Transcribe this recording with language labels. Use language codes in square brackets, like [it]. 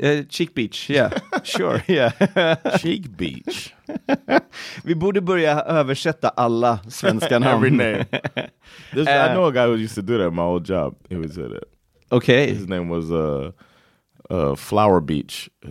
[en] Cheek Beach, yeah, sure, yeah. Cheek Beach. [sv] Vi borde börja översätta alla svenska namn. [en] Every name. I know a guy who used to do that in my old job. He would say that. Okay. His name was Flower Beach.